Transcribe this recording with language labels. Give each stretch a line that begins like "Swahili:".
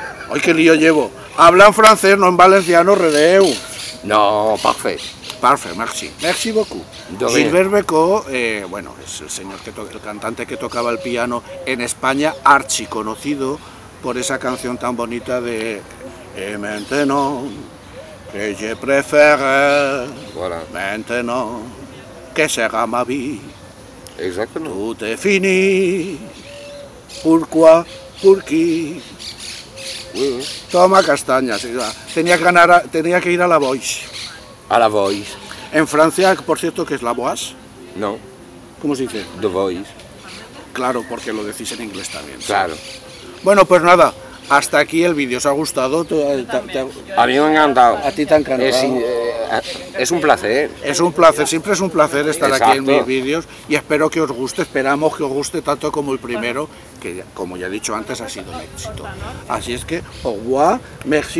Spanish: ¡Ay, qué lío llevo! Hablan francés, no en valenciano, redeu.
French: No, parfait. Parfait, merci. Merci beaucoup.
Spanish: De Gilbert Beco, bueno, es el señor que el cantante que tocaba el piano en España, archi conocido por esa canción tan bonita de...
French: Y maintenant, que je préfère, voilà. Maintenant, que sera ma vie. Exactement. Tout est fini, pourquoi, pour qui.
Spanish: Toma castañas, tenía que ir a La Voix. A La Voix. En Francia, por cierto, ¿qué es La Voix? No. ¿Cómo se dice?
English: The Voice.
Spanish: Claro, porque lo decís en inglés también. Claro. Bueno, pues nada, hasta aquí el vídeo. ¿Os ha gustado? A mí me ha encantado. A ti te ha encantado. Es un placer. Es un placer, siempre es un placer estar aquí en mis vídeos. Y espero que os guste, esperamos que os guste tanto como el primero, que como ya he dicho antes, ha sido un éxito. Así es que,
French: au revoir, merci.